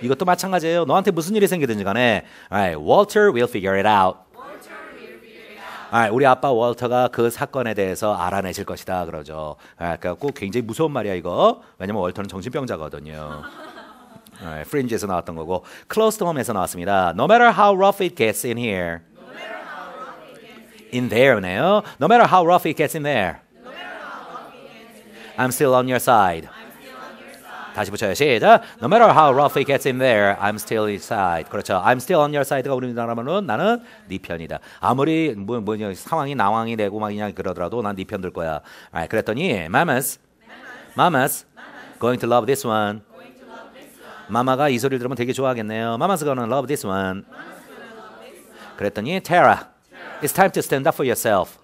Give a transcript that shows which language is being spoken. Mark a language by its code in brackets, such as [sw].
[ko] 이것도 마찬가지예요. 너한테 무슨 일이 생기든지 간에 [en] Alright, Walter will figure it out. [ko] Alright, 우리 아빠 월터가 그 사건에 대해서 알아내실 것이다 그러죠. Alright, 그래갖고 굉장히 무서운 말이야 이거. 왜냐면 월터는 정신병자거든요. Alright, Fringe에서 나왔던 거고 Close to Home에서 나왔습니다. [en] No matter how rough it gets in here. No matter how rough it gets in there네요. No matter how rough it gets in there. No matter how rough it gets in there. I'm still on your side. I'm still on your side. [ko] 다시 붙여요. 시작. [en] No matter how rough it gets in there, I'm still on your side. [ko] 그렇죠. [en] I'm still on your side [ko] 가 우리나라 말로는 나는 네 편이다. 아무리 뭐 상황이 나황이 되고 막 그냥 그러더라도 난 네 편 들 거야. Alright, 그랬더니 Mamas. [en] Mamas. Going to love this one. [ko] 마마가 이 소리를 들으면 되게 좋아하겠네요. [en] Mama's gonna love this one. [ko] 그랬더니 [en] Tara, it's time to stand up for yourself.